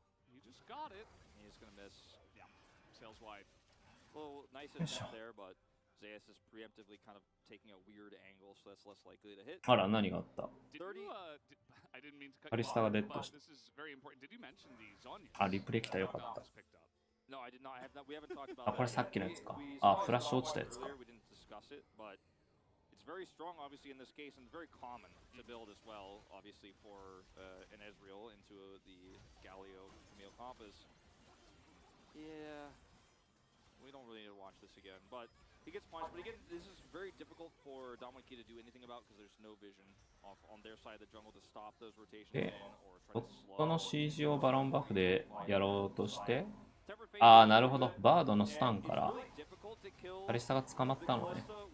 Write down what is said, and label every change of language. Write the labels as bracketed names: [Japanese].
[English] He just got it. He's gonna miss. Yeah. Sails wide. Well, nice attempt there, but Zayas is preemptively kind of taking a weird angle, so that's less likely to hit. [Japanese] あら、何があった [English] I didn't mean to cut you off, but this is very important. Did you mention the Zonyas? [Japanese] あ、リプレイ来た、よかった。 [English] No, I did not. We haven't talked about [Japanese] これさっきのやつか。あ、フラッシュ落ちたやつか。 [English] We didn't discuss it, but it's very strong, obviously, in this case, and very common to build as well, obviously, for an Ezreal into the Galio Camille Compass. Yeah, we don't really need to watch this again. But he gets punished. But again, this is very difficult for Damwon Kia to do anything about because there's no vision off on their side of the jungle to stop those rotations. Okay. [Japanese] この CG をバロンバフでやろうとして、ああなるほど、バードのスタンからアリスタが捕まったのね。